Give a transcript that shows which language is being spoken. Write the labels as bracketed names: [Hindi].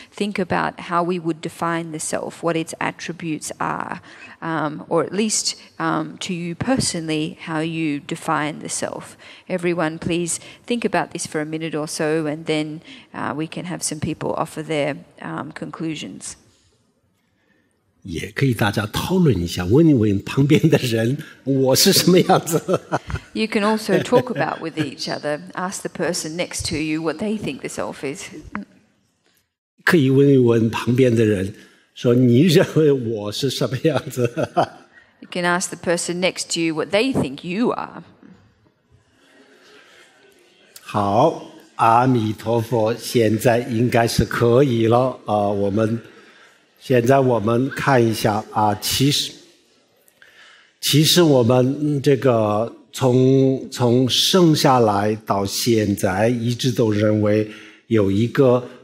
[English] Think about how we would define the self, what its attributes are. Or at least to you personally, how you define the self. Everyone, please think about this for a minute or so, and then we can have some people offer their conclusions. [Chinese] 也可以大家讨论一下，问一问旁边的人，我是什么样子。 [English] You can also talk about with each other. Ask the person next to you what they think the self is. [Chinese] 可以问一问旁边的人。说你认为我是什么样子 [English] ？You can ask the person next to you what they think you are. [Chinese] 好，阿弥陀佛，现在应该是可以了啊！我们看一下啊，其实我们这个从生下来到现在，一直都认为有一个。